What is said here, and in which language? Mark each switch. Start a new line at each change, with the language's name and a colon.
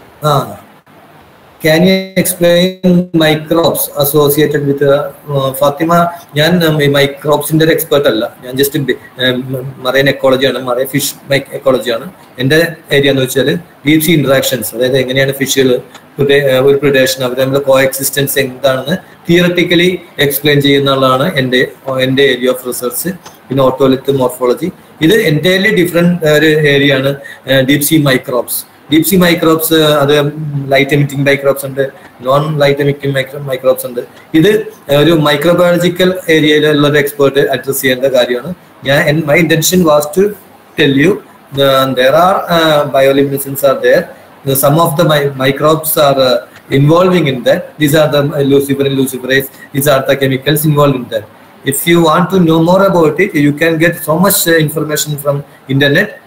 English: ആ, can you explain microbes associated with Fatima?
Malayalam: ഞാൻ മൈക്രോബ്സിന്റെ ഒരു എക്സ്പേർട്ട് അല്ല, ഞാൻ ജസ്റ്റ് മറൈൻ എക്കോളജിയാണ്, മറൈൻ ഫിഷ് എക്കോളജിയാണ് എന്റെ ഏരിയ എന്ന് വെച്ചാൽ. ഡീപ് സീ ഇന്ററാക്ഷൻസ്, അതായത് എങ്ങനെയാണ് ഫിഷുകൾ ഒരു പ്രദേശം അവർ തമ്മിലുള്ള കോ എക്സിസ്റ്റൻസ് എന്താണെന്ന് തിയറട്ടിക്കലി എക്സ്പ്ലെയിൻ ചെയ്യുന്നതാണ് എന്റെ ഏരിയ ഓഫ് റിസർച്ച്. പിന്നെ ഓട്ടോലിത്ത് മോർഫോളജി, ഇത് എൻ്റെ ഡിഫറെന്റ് ഒരു ഏരിയ ആണ്. Deep see microbes, deep C microbes, അത് ലൈറ്റ് എമിറ്റിംഗ് മൈക്രോബ്സ് ഉണ്ട്, നോൺ ലൈറ്റ് എമിറ്റിംഗ് മൈക്രോബ്സ് ഉണ്ട്. ഇത് ഒരു മൈക്രോബയോളജിക്കൽ ഏരിയയിലുള്ള ഒരു എക്സ്പേർട്ട് അഡ്രസ് ചെയ്യേണ്ട കാര്യമാണ്. ഞാൻ
English: My intention was to tell you there are bioluminescence are there, some of the microbes are involving in that, these are the lucifer and luciferase, these are the chemicals involve in that. If you want to know more about it, you can get so much information from internet.